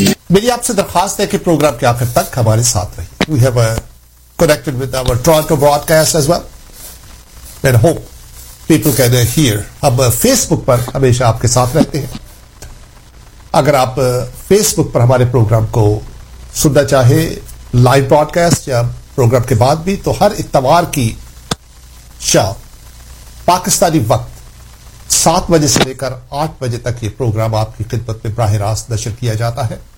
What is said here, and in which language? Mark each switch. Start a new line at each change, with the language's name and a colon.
Urdu: میری آپ سے درخواست ہے کہ پروگرام کے آخر تک ہمارے ساتھ رہیں.
English: We have connected with our Toronto broadcast as well. And hope people can hear.
Urdu: اب فیس بک پر ہمیشہ آپ کے ساتھ رہتے ہیں. اگر آپ فیس بک پر ہمارے پروگرام کو سننا چاہے لائیو براڈ کاسٹ یا پروگرام کے بعد بھی, تو ہر اتوار کی شام پاکستانی وقت 7 بجے سے لے کر 8 بجے تک یہ پروگرام آپ کی خدمت میں براہ راست نشر کیا جاتا ہے.